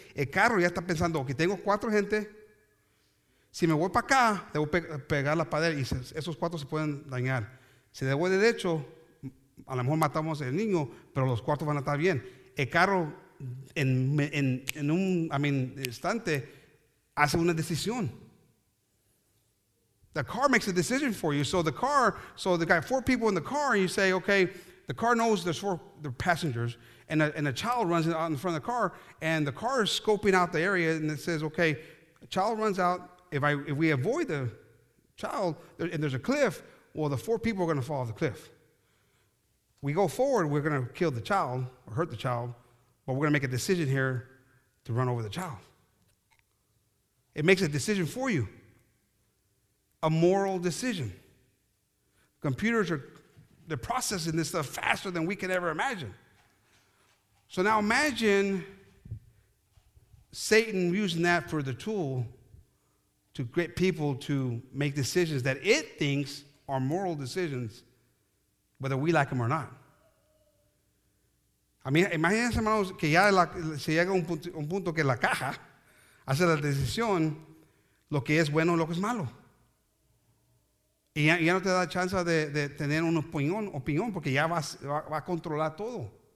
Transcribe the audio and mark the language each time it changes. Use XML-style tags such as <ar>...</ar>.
<es>El carro ya está pensando, que okay, tengo cuatro gente, si me voy para acá, debo pegar la pared y esos cuatro se pueden dañar. Si le voy derecho, a lo mejor matamos al niño, pero los cuatro van a estar bien. El carro en un instante hace una decisión.</es> <en>The car makes a decision for you. So the guy, four people in the car, and you say, okay, the car knows there's four passengers, and a child runs out in front of the car, and the car is scoping out the area, and it says, okay, a child runs out. If we avoid the child, and there's a cliff, well, the four people are going to fall off the cliff. We go forward, we're going to kill the child or hurt the child, but we're going to make a decision here to run over the child. It makes a decision for you, a moral decision. Computers are processing this stuff faster than we could ever imagine. So now imagine Satan using that for the tool to get people to make decisions that it thinks are moral decisions, whether we like them or not.</en> <es>A mí, imagínense, hermanos, que ya se llega a un punto que la caja hace la decisión lo que es bueno y lo que es malo. Y ya no te da chance de tener una opinión porque ya va a controlar todo.</es>